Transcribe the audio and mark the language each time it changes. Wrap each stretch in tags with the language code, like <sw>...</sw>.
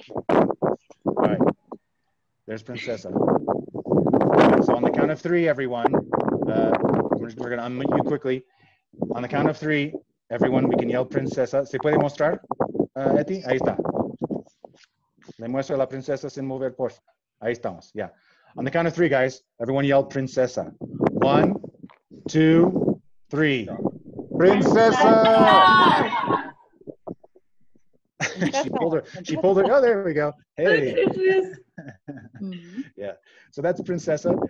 <en>All right. There's Princesa. So on the count of three, everyone, we're going to unmute you quickly. On the count of three, everyone, we can yell Princesa.</en> <es>¿Se puede mostrar, Eti? Ahí está. Le muestro a la princesa sin mover, por favor. Ahí estamos,</es> <en>yeah. On the count of three, guys, everyone yell Princesa. One, two, three. Princesa! She pulled her. Oh, there we go. Hey. Yeah. So that's Princesa.</en>